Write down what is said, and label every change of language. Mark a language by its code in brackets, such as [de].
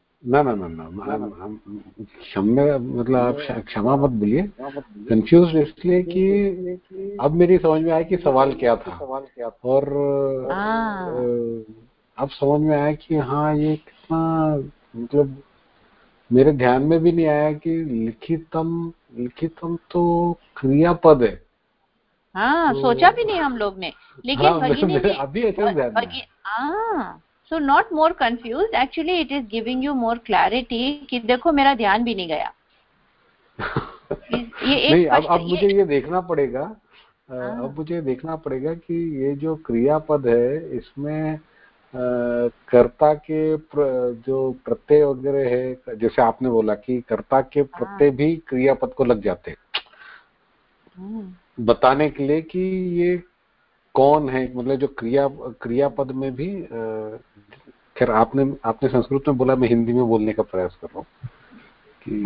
[hi] न न न न क्षमा मत बोलिए, कंफ्यूज्ड इसलिए कि अब मेरी समझ में आया कि सवाल क्या था, और अब समझ में आया कि हाँ ये कितना, मतलब मेरे ध्यान में भी नहीं आया कि लिखितम, लिखितम तो क्रियापद है। हाँ तो, सोचा भी नहीं हम लोग ने, लेकिन अभी ऐसा [en] So not more confused, actually it is giving you more clarity [hi] कि देखो मेरा ध्यान भी नहीं गया। अब मुझे ये देखना पड़ेगा, अब मुझे देखना पड़ेगा कि ये जो क्रियापद है इसमें कर्ता के जो प्रत्यय वगैरह है, जैसे आपने बोला कि कर्ता के प्रत्यय भी क्रियापद को लग जाते बताने के लिए कि ये कौन है, मतलब जो क्रियापद में भी, खैर आपने आपने संस्कृत में बोला, मैं हिंदी में बोलने का प्रयास कर रहा हूँ कि